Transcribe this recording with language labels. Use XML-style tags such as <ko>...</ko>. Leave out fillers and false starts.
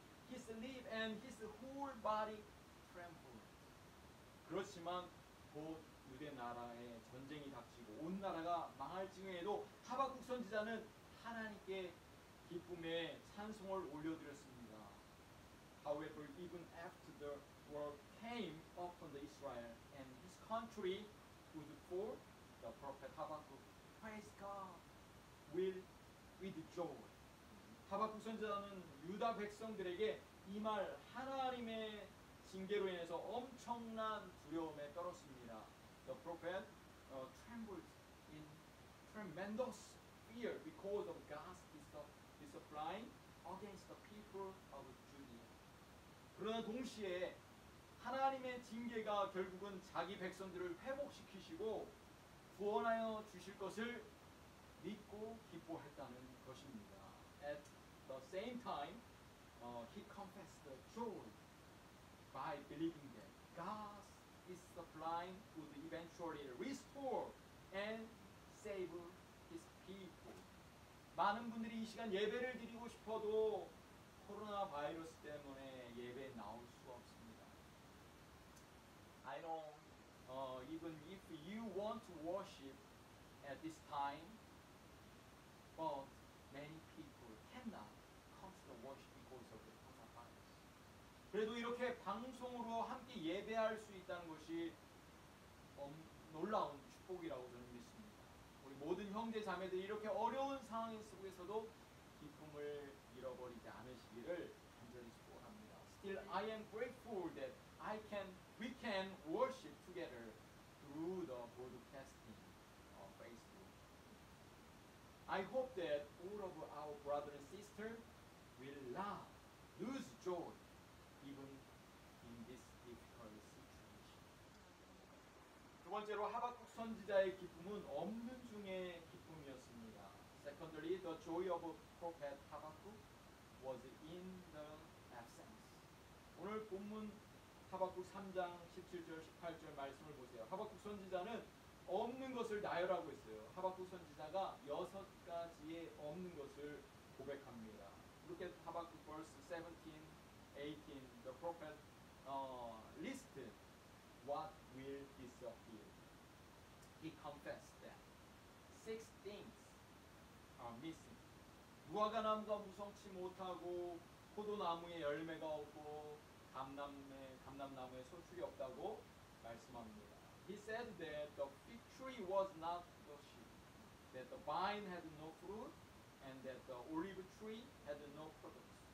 <en>His lip and his whole body trembled.</en> <ko>그렇지만 곧 유대 나라에 전쟁이 닥치고 온 나라가 망할 지경에도 하박국 선지자는 하나님께 기쁨의 찬송을 올려드렸습니다.</ko> <en>However, even after the world came upon the Israel and his country would fall, the prophet Habakkuk, praise God, will with joy.</en> <ko>하박국 선지자는 유다 백성들에게 이말 하나님의 징계로 인해서 엄청난 두려움에 떨었습니다.</ko> <en>The prophet trembled in tremendous fear because of God's discipline against the people of Judea.</en> <ko>그러나 동시에 하나님의 징계가 결국은 자기 백성들을 회복시키시고 구원하여 주실 것을 믿고 기뻐했다는 것입니다.</ko> <en>At the same time, he confessed the joy by believing that God's discipline would eventually restore and save his people.</en> <ko>많은 분들이 이 시간 예배를 드리고 싶어도 코로나 바이러스 때문에 예배 나올 수 없습니다.</ko> <en>I know, even if you want to worship at this time, but many people cannot come to the worship because of the coronavirus.</en> <ko>그래도 이렇게 방송으로 함께 예배할 수 있다는 것이 놀라운 축복이라고 저는 믿습니다. 우리 모든 형제 자매들 이렇게 어려운 상황 속에서도 기쁨을 잃어버리지 않으시기를 간절히 소원합니다.</ko> <en>Still, I am grateful that we can worship together through the broadcasting of Facebook. I hope that all of our brothers and sisters will not lose joy even in this difficult situation.</en> <ko>두 번째로 하박국 선지자의 기쁨은 없는 중의 기쁨이었습니다.</ko> <en>Secondly, the joy of prophet Habakkuk was in the absence.</en> <ko>오늘 본문 하박국 3장 17절 18절 말씀을 보세요. 하박국 선지자는 없는 것을 나열하고 있어요. 하박국 선지자가 여섯 가지의 없는 것을 고백합니다.</ko> <en>Look at Habakkuk verse 17, 18. The prophet listed what will disappear. He confessed that six things are missing.</en> <ko>무화과나무가 무성치 못하고 포도나무에 열매가 없고 감람나무에 소출이 없다고 말씀합니다.</ko> <en>He said that the fig tree was not flourishing, that the vine had no fruit, and that the olive tree had no produce.</en>